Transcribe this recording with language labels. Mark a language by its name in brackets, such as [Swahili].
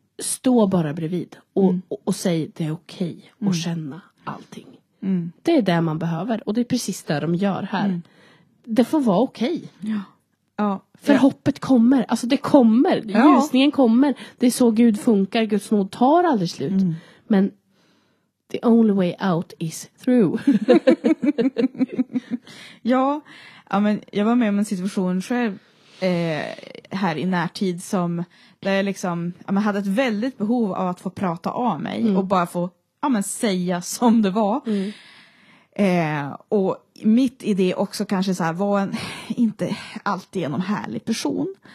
[Swedish] Stå bara bredvid och säg det är okej och känna allting. Mm. Det är det man behöver. Och det är precis det de gör här. Mm. Det får vara okej. Ja. Ja. För hoppet kommer. Alltså det kommer. Ja. Ljusningen kommer. Det är så Gud funkar. Guds nåd tar aldrig slut. Mm. Men [English] the only way out is through. [Swedish] Ja, men jag var med om en situation själv. Här i närtid som... Där jag liksom jag hade ett väldigt behov av att få prata av mig. Mm. Och bara få... Ja, men säga som det var. Mm. Och mitt idé också kanske så här, var en inte alltid en härlig person.